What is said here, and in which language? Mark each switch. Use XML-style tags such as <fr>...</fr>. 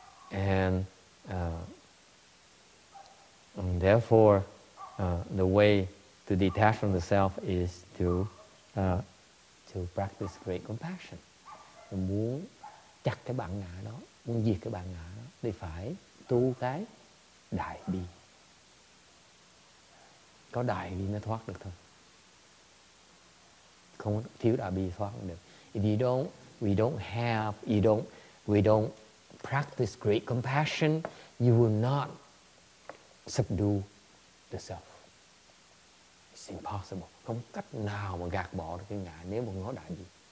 <en>And therefore, the way to detach from the self is to practice great compassion.</en> <vi>Muốn chặt cái bản ngã đó, muốn diệt cái bản ngã đó, thì phải tu cái đại bi. Có đại bi nó thoát được thôi. Không thiếu đại bi thoát được.</vi> <en>If you don't, we don't have, you don't, we don't practice great compassion, you will not subdue the self. It's impossible.</en> <vi>Không cách nào mà gạt bỏ được cái ngã nếu mà ngó đại gì.</vi>